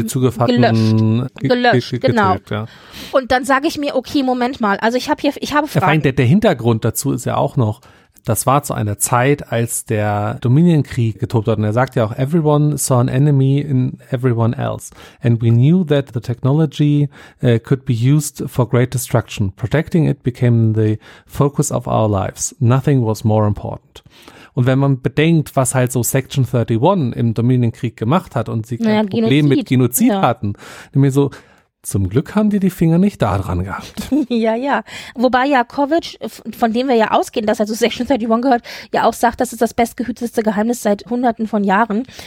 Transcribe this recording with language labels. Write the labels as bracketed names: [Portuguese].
[German] gelöscht. Genau. Ja. Und dann sage ich mir, okay, Moment mal, also ich habe Fragen. Der Hintergrund dazu ist ja auch noch, das war zu einer Zeit, als der Dominion-Krieg getobt hat. Und er sagt ja auch, [English] everyone saw an enemy in everyone else. And we knew that the technology could be used for great destruction. Protecting it became the focus of our lives. Nothing was more important. [German] Und wenn man bedenkt, was halt so Section 31 im Dominion-Krieg gemacht hat und sie kein Problem mit Genozid hatten, nämlich so, zum Glück haben die Finger nicht da dran gehabt. Ja, ja. Wobei ja Kovic, von dem wir ja ausgehen, dass er zu Section 31 gehört, ja auch sagt, das ist das bestgehütetste Geheimnis seit Hunderten von Jahren.